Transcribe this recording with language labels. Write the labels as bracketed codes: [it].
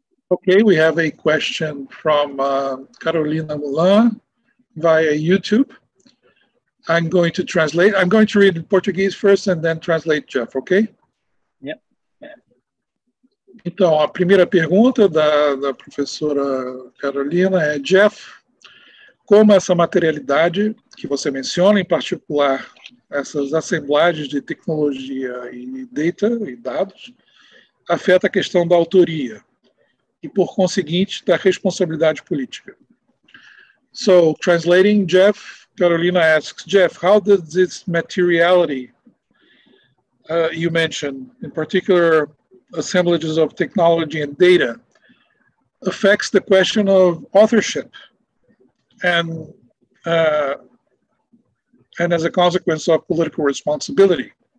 [en] Okay, we have a question from Carolina Moulin via YouTube. I'm going to translate. I'm going to read in Portuguese first and then translate, Jeff, okay? [pt] Então, a primeira pergunta da professora Carolina é: Jeff, como essa materialidade que você menciona, em particular essas assemblagens de tecnologia e data e dados, afeta a questão da autoria e, por conseguinte, da responsabilidade política? [en] So, translating, Jeff, Carolina asks, Jeff, how does this materiality you mentioned, in particular assemblages of technology and data, affects the question of authorship and as a consequence of political responsibility?